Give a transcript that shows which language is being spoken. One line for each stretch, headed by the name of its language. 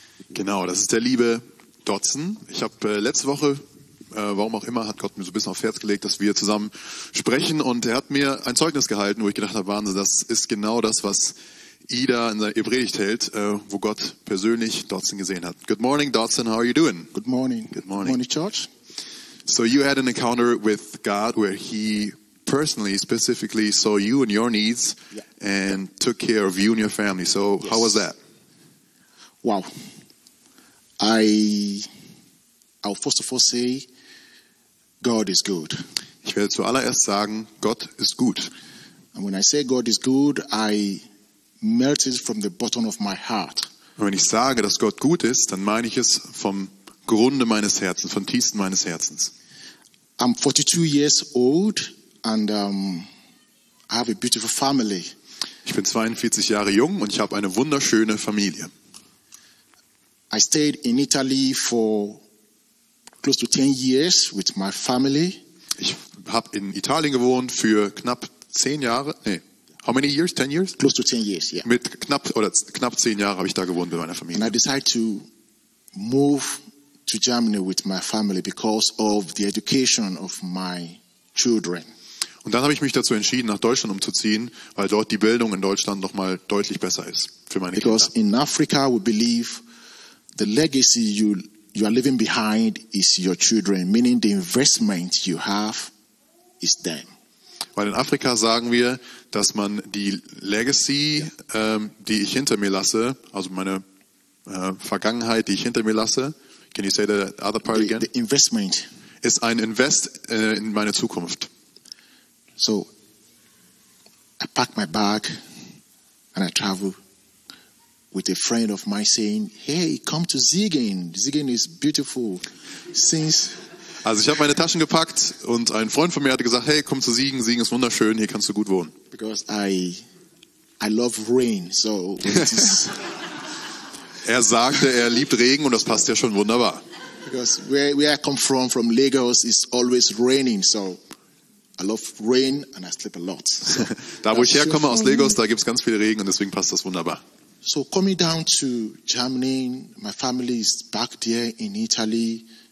German: Genau, das ist der liebe Dotson. Ich habe letzte Woche, warum auch immer, hat Gott mir so ein bisschen aufs Herz gelegt, dass wir zusammen sprechen. Und er hat mir ein Zeugnis gehalten, wo ich gedacht habe, Wahnsinn, das ist genau das, was Ida in seiner Predigt hält, wo Gott persönlich Dotson gesehen hat.
English: Good morning, Dotson, how are you doing? Good morning. Good morning. Good morning, George. So you had an encounter with God where he personally, specifically saw you and your needs and took care of you and your family. So yes. How was that? Wow. I'll first of all say, God is good.
German: Ich werde zuallererst sagen, Gott ist gut.
English: And when I say God is good, I melt it from the bottom of my heart.
German: Und wenn ich sage, dass Gott gut ist, dann meine ich es vom Grunde meines Herzens, vom Tiefsten meines Herzens.
English: I'm 42 years old and I have a beautiful family.
German: Ich bin 42 Jahre jung und ich habe eine wunderschöne Familie.
English: I stayed in Italy for close to 10 years with my family.
German: Ich habe in Italien gewohnt für knapp 10 Jahre.
English: Nee. How many years? 10 years? Close to 10 years, yeah.
German: Mit knapp 10 Jahre habe ich da gewohnt mit meiner Familie.
English: And I decided to move to Germany with my family because of the education of my children.
German: Und dann habe ich mich dazu entschieden, nach Deutschland umzuziehen, weil dort die Bildung in Deutschland noch mal deutlich besser ist für meine
English: because
German: Kinder.
English: Because in Africa we believe the legacy you are leaving behind is your children, meaning the investment you have is them.
German: Weil in Afrika sagen wir, dass man die Legacy, die ich hinter mir lasse, also meine Vergangenheit, die ich hinter mir lasse,
English: can you say the other part again? The investment
German: ist ein Invest in meine Zukunft.
English: So, I pack my bag and I travel with a friend of mine saying, hey, come to Siegen. Siegen is beautiful. Since
German: also ich habe meine Taschen gepackt und ein Freund von mir hatte gesagt, hey, komm zu Siegen, Siegen ist wunderschön, hier kannst du gut wohnen.
English: Because I love rain, so it is.
German: Er sagte, er liebt Regen und das passt ja schon wunderbar.
English: Because where I come from Lagos, it's always raining, so I love rain and I sleep a lot. So,
German: da wo ich herkomme aus Lagos, da gibt es ganz viel Regen und deswegen passt das wunderbar.
English: So coming down to Germany, my family is back there in Italy.